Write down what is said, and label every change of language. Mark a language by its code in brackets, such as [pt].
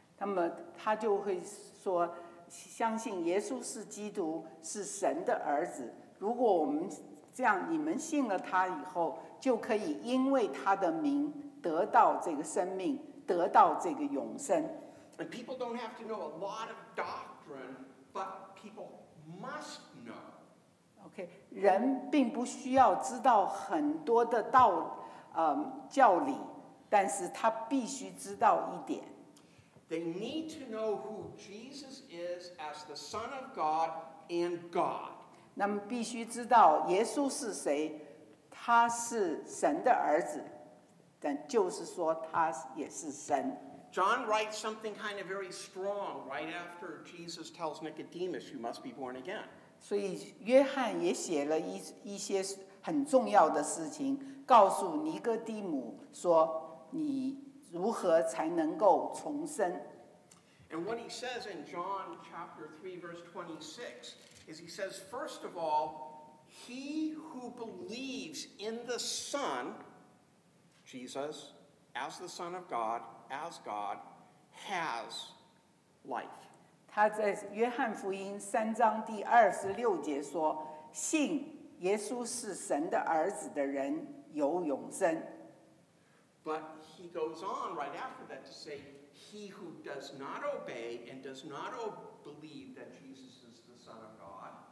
[zh] 那么他就会说，相信耶稣是基督，是神的儿子。如果我们这样，你们信了他以后，就可以因为他的名得到这个生命，得到这个永生。 [en] And people don't have to know a lot of doctrine, but people must know. [zh] Okay, 人并不需要知道很多的道、教理，但是他必须知道一点。 [en] They need to know who Jesus is as the Son of God and God. [zh] 那么必须知道耶稣是谁，他是神的儿子，但就是说他也是神。 [en] John writes something kind of very strong right after Jesus tells Nicodemus, you must be born again. [zh] 所以约翰也写了 一些很重要的事情，告诉尼哥底母说你如何才能够重生。 [en] And what he says in John chapter 3 verse 26 is he says, first of all, he who believes in the Son, Jesus, as the Son of God, as God, has life. [zh] 他在约翰福音三章第二十六节说，信耶稣是神的儿子的人有永生。 [en] But he goes on right after that to say, he who does not obey and does not believe that Jesus is the Son of God.